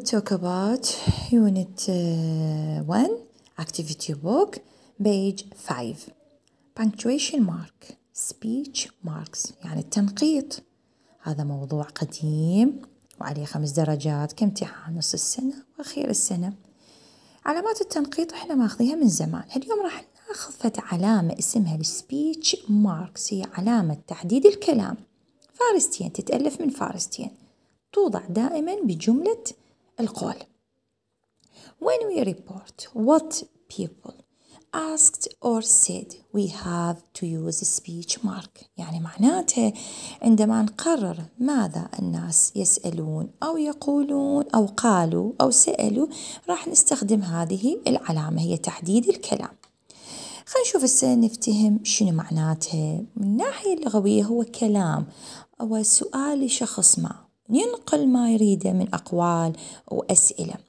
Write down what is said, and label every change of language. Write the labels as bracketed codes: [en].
[en] Talk about unit 1, activity book, page 5. Punctuation mark, speech marks, [ar] يعني التنقيط. هذا موضوع قديم وعليه 5 درجات كامتحان نص السنة وأخير السنة. علامات التنقيط احنا ماخذيها من زمان. اليوم راح ناخذ علامة اسمها speech marks، هي علامة تحديد الكلام. فارستين، تتألف من فارستين، توضع دائما بجملة القول. [en] When we report what people asked or said, we have to use a speech mark. [ar] يعني معناته عندما نقرر ماذا الناس يسألون أو يقولون أو قالوا أو سألوا، راح نستخدم هذه العلامة، هي تحديد الكلام. خلينا نشوف السؤال، نفتهم شنو معناته. من ناحية اللغوية هو كلام أو سؤال لشخص ما، ينقل ما يريده من أقوال وأسئلة.